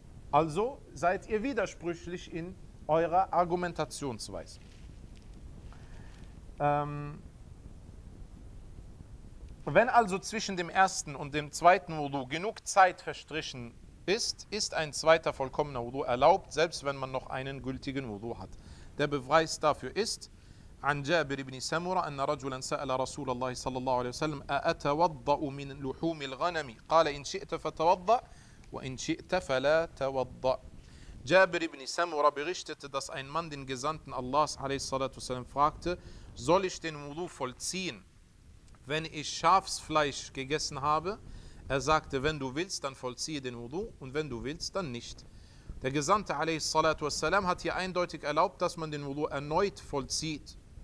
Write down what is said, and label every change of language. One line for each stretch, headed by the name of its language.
German: Also seid ihr widersprüchlich in eurer Argumentationsweise. Wenn also zwischen dem ersten und dem zweiten Wudu genug Zeit verstrichen ist, ist ein zweiter vollkommener Wudu erlaubt, selbst wenn man noch einen gültigen Wudu hat. Der Beweis dafür ist,
Arabic: عن جابر بن سمرة أن رجلا سأل رسول الله صلى الله عليه وسلم أأتوضأ من لحوم الغنم قال إن شئت فتوضأ وإن شئت فلا توضأ.
German: جابر بن سمرة berichtete, dass ein Mann den Gesandten Allahs عليه الصلاة والسلام fragte, soll ich den Wudu vollziehen, wenn ich Schafsfleisch gegessen habe? Er sagte, wenn du willst, dann vollziehe den Wudu und wenn du willst, dann nicht. Der Gesandte والسلام, hat hier eindeutig erlaubt, dass man den Wudu erneut vollzieht.